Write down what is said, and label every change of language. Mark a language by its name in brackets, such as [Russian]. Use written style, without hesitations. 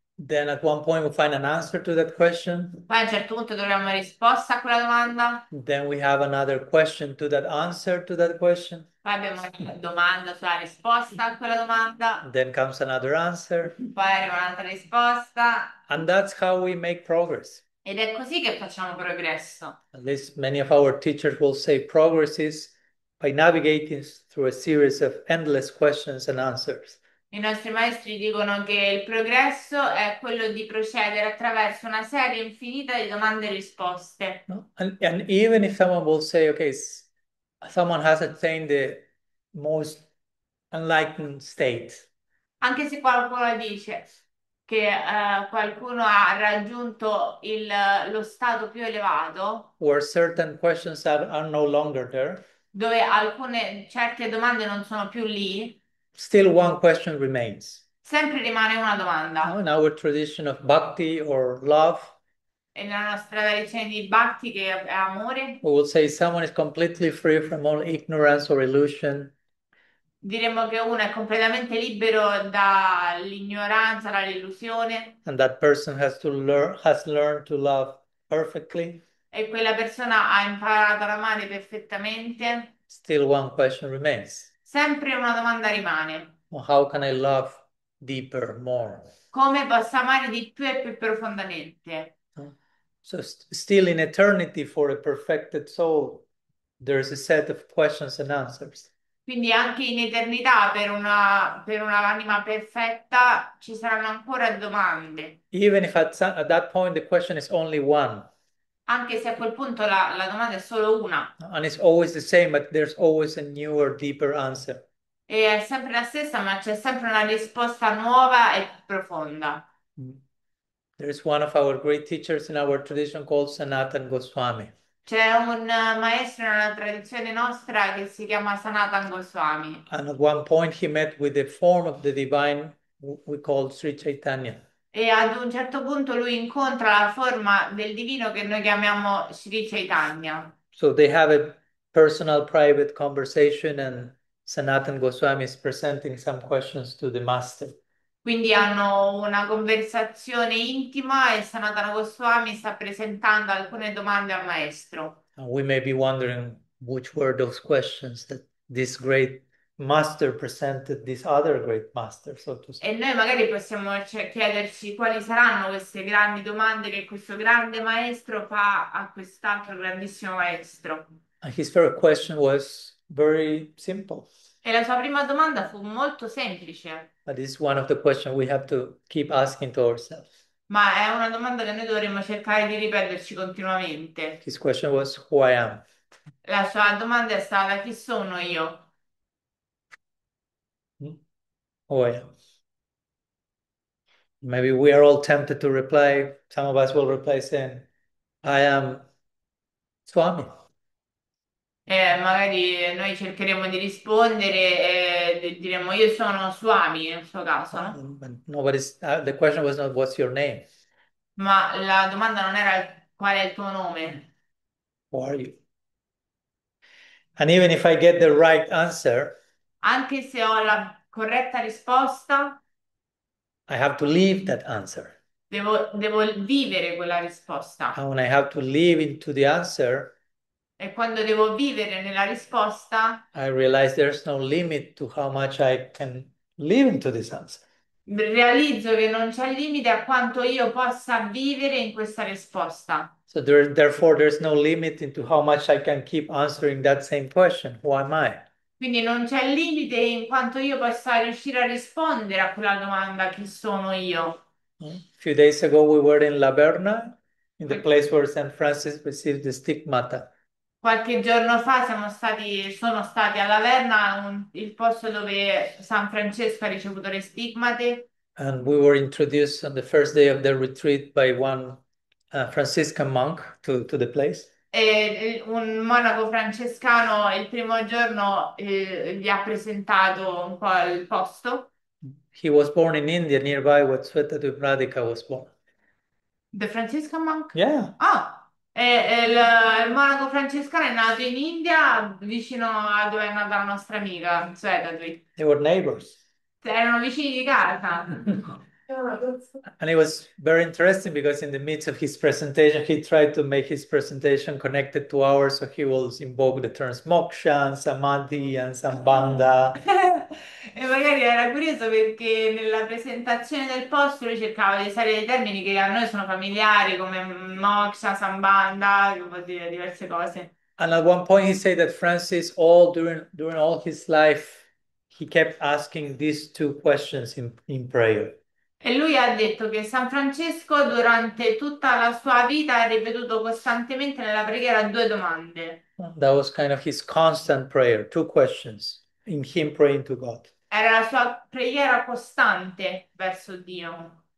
[English] Then at one point we find an answer to that question. [Italian] poi a un certo punto troviamo una risposta a quella domanda. [English] Then we have another question to that answer to that question. [Italian] Poi abbiamo una domanda sulla risposta a quella domanda. [English] Then comes another answer. [Italian] Poi arriva un'altra risposta. [English] And that's how we make progress. [Italian] Ed è così che facciamo progresso. [English] At least many of our teachers will say progress is by navigating through a series of endless questions and answers. [Italian] I nostri maestri dicono che il progresso è quello di procedere attraverso una serie infinita di domande e risposte. [English] No? And even if someone will say, okay, someone has attained the most enlightened state. [Italian] Anche se qualcuno dice che qualcuno ha raggiunto lo stato più elevato, [English] Where certain questions are no longer there, [Italian] dove alcune certe domande non sono più lì, [English] still one question remains. [Italian] sempre rimane una [English] No? In our tradition of bhakti or love, [Italian] E nella nostra tradizione di bhakti, che è amore, [English] we will say someone is completely free from all ignorance or illusion. [Italian] diremmo che uno è completamente libero dall'ignoranza, dall'illusione. [English] And that person has learned to love perfectly. [Italian] E quella persona ha imparato ad amare perfettamente. [English] Still one question remains. [Italian] Sempre una domanda rimane. [English] Well, how can I love deeper, more? [Italian] Come posso amare di più e più profondamente? [English] So still in eternity for a perfected soul, there is a set of questions and answers. [Italian] Quindi anche in eternità, per un'anima perfetta, ci saranno ancora domande. [English] Even if at that point the question is only one. [Italian] Anche se a quel punto la domanda è solo una. [English] And it's always the same, but there's always a newer, deeper answer. [Italian] E è sempre la stessa, ma c'è sempre una risposta nuova e profonda. [English] There is one of our great teachers in our tradition called Sanatan Goswami. [Italian] C'è un maestro nella tradizione nostra che si chiama Sanatan Goswami. E [English] And at one point he met with the form of the divine we call Sri Chaitanya. [Italian] ad un certo punto lui incontra la forma del divino che noi chiamiamo Sri Chaitanya. [English] So they have a personal private conversation and Sanatan Goswami is presenting some questions to the master. [Italian] Quindi hanno una conversazione intima e Sanatana Goswami sta presentando alcune domande al maestro. [English] And we may be wondering which were those questions that this great master presented this other great master, so to [Italian] E [English] speak. [Italian] noi magari possiamo chiederci quali saranno queste grandi domande che questo grande maestro fa a quest'altro grandissimo maestro. [English] His first question was very simple. [Italian] E la sua prima domanda fu molto semplice. [English] But this is one of the questions we have to keep asking to ourselves. [Italian] Ma è una domanda che noi dovremmo cercare di ripeterci continuamente. [English] His question was, who I am? [Italian] La sua domanda è stata: chi sono io? [English] I am? Maybe we are all tempted to reply, some of us will reply saying, I am Swami. [Italian] Magari noi cercheremo di rispondere e diremo: io sono Swami nel suo caso, no? [English] Nobody's, the question was not what's your name? [Italian] Ma la domanda non era qual è il tuo nome. [English] Who are you? And even if I get the right answer, [Italian] Anche se ho la corretta risposta, [English] I have to leave that answer. [Italian] devo vivere quella risposta. [English] And when I have to leave into the answer, [Italian] E quando devo vivere nella risposta, [English] I realize there's no limit to how much I can leave into this answer. [Italian] realizzo che non c'è limite a quanto io possa vivere in questa risposta. [English] So therefore, there's no limit into how much I can keep answering that same question. Who am I? [Italian] Quindi non c'è limite in quanto io possa riuscire a rispondere a quella domanda: chi sono io? [English] A few days ago, we were in Laverna, in the place where Saint Francis received the stigmata. [Italian] Qualche giorno fa sono stati a Laverna, il posto dove San Francesco ha ricevuto le stigmate. [English] And we were introduced on the first day of the retreat by one Franciscan monk to the place. [Italian] E un monaco francescano il primo giorno gli ha presentato un po' il posto. [English] He was born in India, nearby where Sweta Vibhradika was born. The Franciscan monk? Yeah. Ah! [Italian] Il monaco francescano è nato in India, vicino a dove è nata la nostra amica, Svetadvi. [English] They were neighbors. [Italian] Erano vicini di casa. [English] And it was very interesting because in the midst of his presentation, he tried to make his presentation connected to ours. So he was invoke the terms moksha, samadhi, and sambandha. [Italian] E magari era curioso perché nella presentazione del posto lui cercava di usare dei termini che a noi sono familiari, come moksha, sambandha, come dire diverse cose. [English] And at one point, he said that Francis, all during all his life, he kept asking these two questions in prayer. [Italian] E lui ha detto che San Francesco durante tutta la sua vita ha ripetuto costantemente nella preghiera due domande. [English] That was kind of his constant prayer, two questions in him praying to God. [Italian] Era la sua preghiera costante verso Dio.